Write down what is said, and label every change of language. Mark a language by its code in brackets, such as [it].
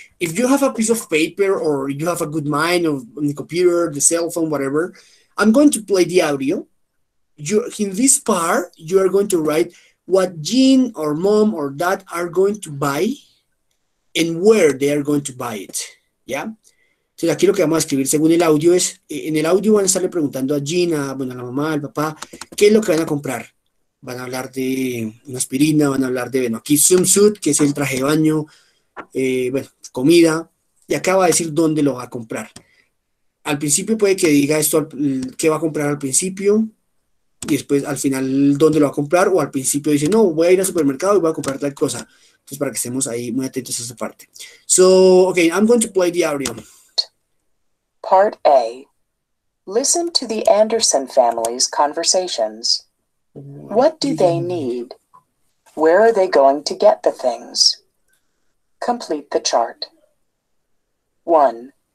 [en] If you have a piece of paper or you have a good mind on the computer, the cell phone, whatever, I'm going to play the audio. In this part, you are going to write what Jean or mom or dad are going to buy. And where they are going to buy it. [es] ¿Ya? Entonces, aquí lo que vamos a escribir según el audio es: en el audio van a estarle preguntando a Gina, bueno, a la mamá, al papá, ¿qué es lo que van a comprar? Van a hablar de una aspirina, van a hablar de, bueno, aquí swimsuit, que es el traje de baño, bueno, comida, y acá va a decir dónde lo va a comprar. Al principio puede que diga esto, qué va a comprar al principio, y después al final dónde lo va a comprar, o al principio dice, no, voy a ir al supermercado y voy a comprar tal cosa. Entonces, para que estemos ahí muy atentos a esa parte. [en] So, okay, I'm going to play the audio. Part A. Listen to the Anderson family's conversations. What do they need? Where are they going to get the things? Complete the chart. 1.